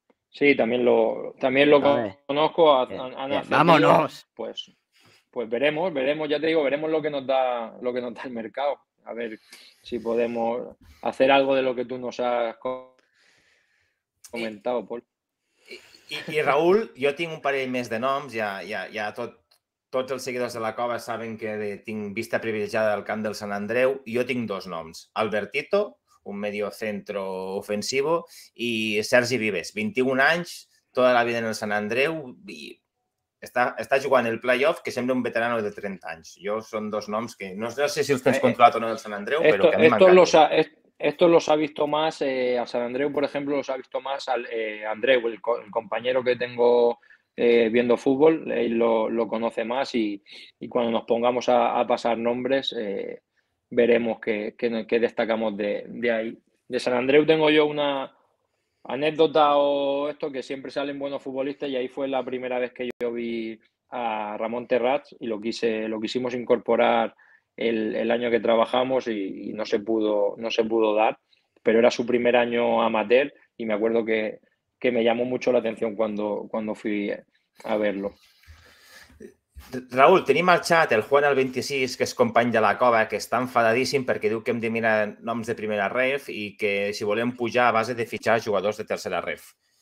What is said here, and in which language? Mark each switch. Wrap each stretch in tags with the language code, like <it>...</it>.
<es>Sí, también lo conozco. ¡Vámonos! Pues veremos, ya te digo, veremos lo que nos da el mercado. A ver si podemos hacer algo de lo que tú nos has comentado, Pol.</es> <ca>I Raúl, jo tinc un parell més de noms, ja tots els seguidors de la cova saben que tinc vista privilegiada al camp del Sant Andreu, jo tinc dos noms, Albertito, un</ca> <es>mediocentro ofensivo,</es> <ca>i Sergi Vives, 21 anys, tota la vida en el Sant Andreu, i està jugant el playoff, que sembla un veterano de 30 anys. Jo són dos noms que no sé si els tens controlat o no del Sant Andreu, però que a mi m'encanta.</ca> <es>Estos los ha visto más a San Andreu, por ejemplo, los ha visto más al Andreu, el compañero que tengo viendo fútbol, lo conoce más, y cuando nos pongamos a pasar nombres, veremos qué destacamos de ahí. De San Andreu tengo yo una anécdota o esto, que siempre salen buenos futbolistas, y ahí fue la primera vez que yo vi a Ramón Terrats, y lo quisimos incorporar el año que trabajamos y no se pudo dar, pero era su primer año amateur, y me acuerdo que me llamó mucho la atención cuando fui a verlo.</es> <ca>Raúl, tenim al chat el Juan el 26, que és company de la cova, que està enfadadíssim perquè diu que hem de mirar noms de primera ref i que si volem pujar a base de fitxar jugadors de tercera ref.</ca>